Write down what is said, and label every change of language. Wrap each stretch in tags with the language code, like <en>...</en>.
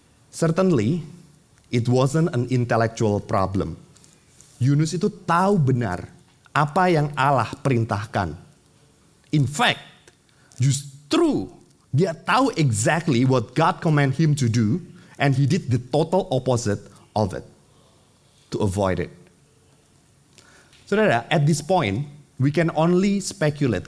<en>Certainly, it wasn't an intellectual problem.</en> <id>Yunus itu tahu benar apa yang Allah perintahkan.</id> <en>In fact,</en> <id>justru dia tahu</id> <en>exactly what God command him to do, and he did the total opposite of it to avoid it. Saudara, at this point, we can only speculate.</en>